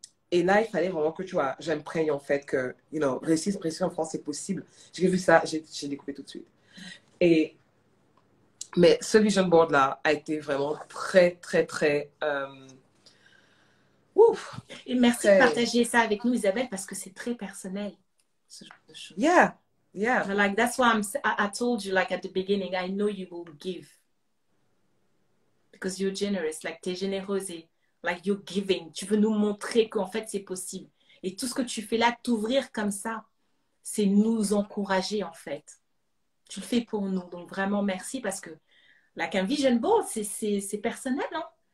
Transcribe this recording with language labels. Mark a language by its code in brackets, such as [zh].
[fr] Et là, il fallait vraiment que tu vois, j'imprègne en fait que, réussir en France, c'est possible. J'ai vu ça, j'ai découvert tout de suite. Mais ce vision board-là a été vraiment très, très, très. Ouf! Et merci de Très. partager ça avec nous, Isabelle, parce que c'est très personnel, ce genre de choses. [en] Yeah! Yeah! Like, that's why I told you, like, at the beginning, I know you will give. Because you're generous. Like, [fr] t'es généreuse et, [en] like, you're giving. [fr] Tu veux nous montrer qu'en fait, c'est possible. Et tout ce que tu fais là, t'ouvrir comme ça, c'est nous encourager, en fait. Tu le fais pour nous. Donc, vraiment, merci parce que, like, un vision board, c'est personnel, hein?